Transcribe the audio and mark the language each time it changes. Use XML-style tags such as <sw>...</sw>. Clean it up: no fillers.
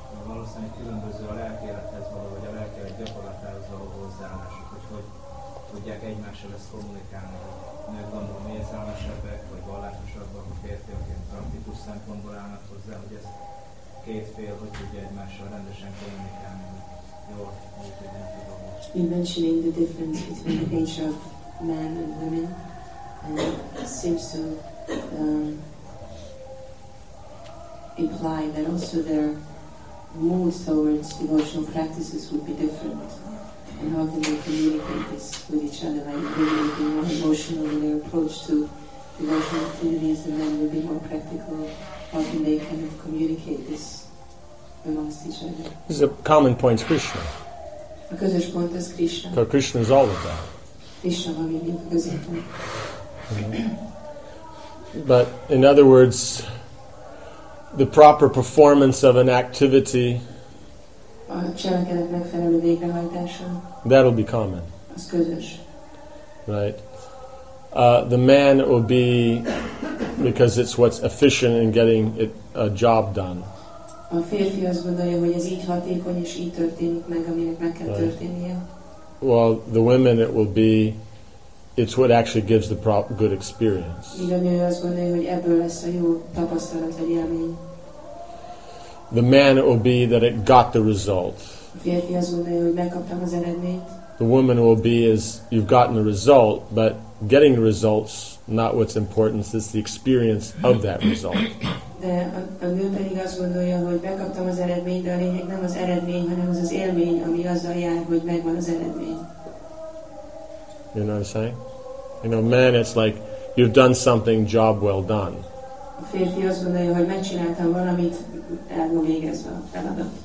<hu>valószínűleg különböző a lelkélethez való, vagy a lelkélet gyakorlatához való hozzáállásuk, hogy hogy tudják egymással ezt kommunikálni, hogy nők gondolom érzelmesebbek, vagy vallásosabbak, hogy férfiaként praktikus szempontból állnak hozzá, hogy ezt két fél, hogy tudja egymással rendesen kommunikálni, hogy jól, hogy tudják tudom.</hu> <en>You mentioning the difference between the age of men and women, and it seems to imply that also their moods towards devotional practices would be different, and how can they communicate this with each other, like women would be more emotional in their approach to devotional activities, and men would be more practical. How can they kind of communicate this amongst each other? This is a common point, Krishna. Because Krishna. Krishna is all of that. Krishna, mm-hmm. But in other words, the proper performance of an activity, that'll be common. Right. The man will be because it's what's efficient in getting it a job done.</en> <hu>A férfi azt gondolja, hogy ez így hatékony, és így történik meg, aminek meg kell történnie.</hu> <en>Well, the women, it will be, it's what actually gives the good experience.</en> <hu>Így a nő azt gondolja, hogy ebből lesz a jó tapasztalat, vagy élmény.</hu> <en>The man, it will be that it got the result.</en> <hu>A férfi azt gondolja, hogy megkaptam az eredményt.</hu> <en>The woman will be is you've gotten the result, but getting the results not what's important, it's the experience of that result.</en> <hu>De a nő pedig azt gondolja, hogy megkaptam az eredményt, de a lényeg nem az eredmény, hanem az az élmény, ami azzal jár, hogy megvan az eredmény.</hu> <en>You know what I'm saying? You know, man, it's like you've done something, job well done.</en> <hu>A férfi azt gondolja, hogy megcsináltam valamit, el van végezve a feladat.</hu>